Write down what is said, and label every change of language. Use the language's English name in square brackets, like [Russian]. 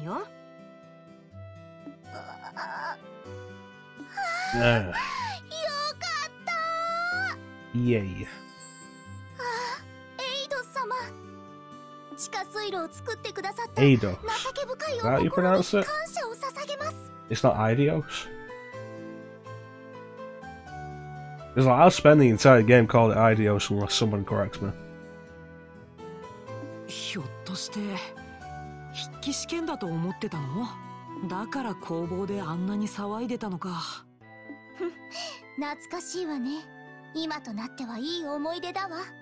[Japanese] よかった。いやいや。地下水路を作ってくださった情け深いお心に感謝を捧げます。 [English] It's not Eidos? It's like I'll spend the entire game called Eidos unless someone corrects me. [Japanese] ひょっとして筆記試験だと思ってたの？だから工房であんなに騒いでたのか。懐かしいわね。今となってはいい思い出だわ。